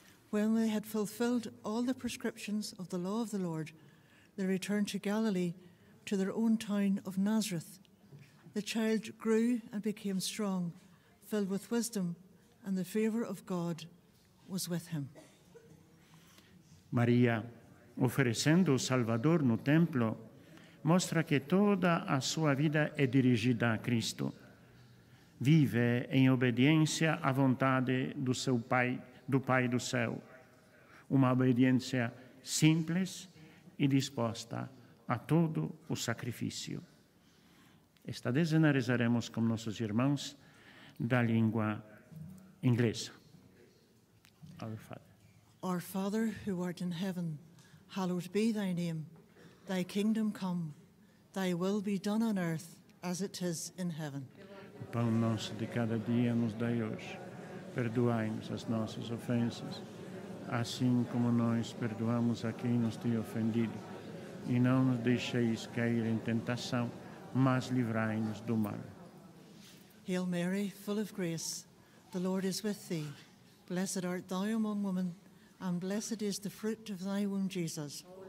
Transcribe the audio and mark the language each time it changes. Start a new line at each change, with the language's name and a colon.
English: When they had fulfilled all the prescriptions of the law of the Lord, they returned to Galilee, to their own town of Nazareth. The child grew and became strong, filled with wisdom, and the favor of God was with him.
Portuguese: Maria, oferecendo o Salvador no templo, mostra que toda a sua vida é dirigida a Cristo. Vive em obediência à vontade do seu Pai, do Pai do Céu. Uma obediência simples e disposta a todo o sacrifício. Esta dezena rezaremos com nossos irmãos da língua inglesa.
English: Our Father, who art in heaven, hallowed be thy name. Thy kingdom come, thy will be done on earth as it is in heaven.
Portuguese: O pão nosso de cada dia nos dai hoje. Perdoai-nos as nossas ofensas, assim como nós perdoamos a quem nos tem ofendido. E não nos deixeis cair em tentação, mas livrai-nos do mal.
English: Hail Mary, full of grace, the Lord is with thee. Blessed art thou among women, and blessed is the fruit of thy womb, Jesus.